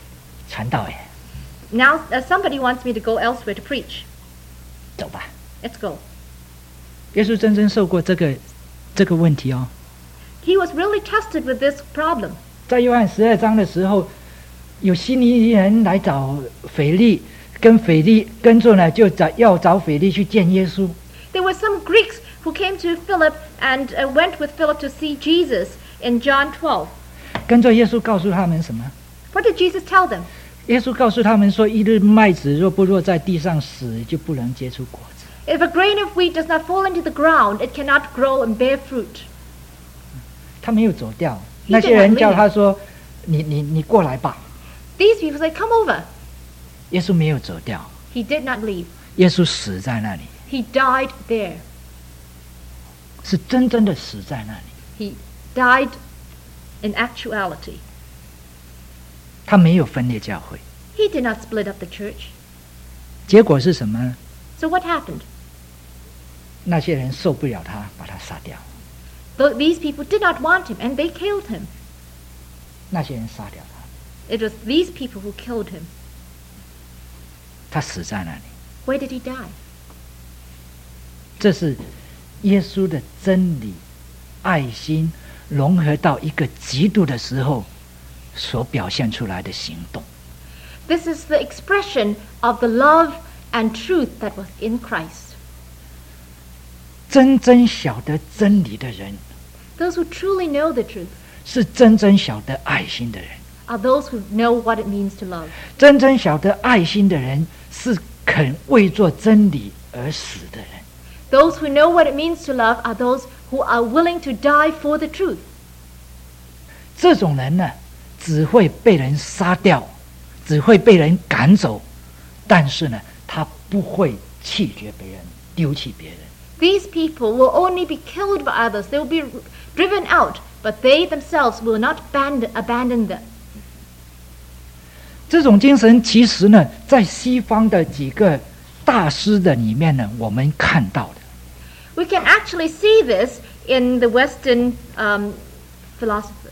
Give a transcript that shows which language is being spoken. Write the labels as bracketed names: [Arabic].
[Chinese] 啊，现在有一些人让我到国外去传道耶。 [English] Now somebody wants me to go elsewhere to preach. [Chinese] 走吧。 [English] Let's go. [Chinese] 耶稣真正受过这个问题哦。 [English] He was really tested with this problem. [Chinese] 在约翰十二章的时候，有希尼人来找腓力，跟腓力跟着呢，就找腓力去见耶稣。 [English] There were some Greeks who came to Philip and went with Philip to see Jesus in John 12. [Chinese] 跟着耶稣告诉他们什么 [English] ？What did Jesus tell them？ [Chinese] 耶稣告诉他们说：“一粒麦子若不落在地上死，就不能结出果子。” [English] If a grain of wheat does not fall into the ground, it cannot grow and bear fruit. [Chinese] 他没有走掉。那些人叫他说：“你过来吧。” [English] These people say, "Come over." [Chinese] 耶稣没有走掉。 [English] He did not leave. [Chinese] 耶稣死在那里。 [English] He died there. [Chinese] 是真正的死在那里。 [English] He died in actuality. [Chinese] 他没有分裂教会。 [English] He did not split up the church. [Chinese] 结果是什么？ [English] So what happened? [Chinese] 那些人受不了他，把他杀掉。 [English] These people did not want him, and they killed him. [Chinese] 那些人杀掉他。 [English] It was these people who killed him. [Chinese] 他死在哪里？ [English] Where did he die? [Chinese] 这是耶稣的真理、爱心融合到一个极度的时候所表现出来的行动。 [English] This is the expression of the love and truth that was in Christ. [Chinese] 真正晓得真理的人， [English] Those who truly know the truth. [Chinese] 是真正晓得爱心的人。 [English] Are those who know what it means to love. [Chinese] 真正晓得爱心的人是肯为做真理而死的人。 [English] Those who know what it means to love are those who are willing to die for the truth. [Chinese] 这种人呢，只会被人杀掉，只会被人赶走，但是呢，他不会弃绝别人，丢弃别人。 [English] These people will only be killed by others. They will be driven out, but they themselves will not abandon them. [Chinese] 这种精神其实呢，在西方的几个大师的里面呢，我们看到的。 [English] We can actually see this in the Western philosophers.